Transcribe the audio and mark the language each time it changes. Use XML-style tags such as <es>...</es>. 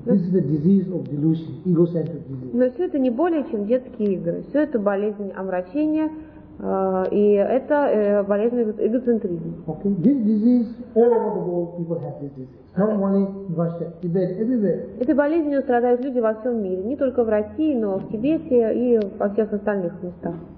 <en>This is the disease of delusion, egocentric disease.</en> <ru>Но все это не более чем детские игры. Все это болезнь омрачения, и это болезнь эгоцентризма.</ru> <en>Okay. This disease all over the world people have this disease. Not only in Russia, Tibet, everywhere.</en> <ru>Этой болезнью страдают люди во всем мире, не только в России, но в Тибете и во всех остальных местах.</ru>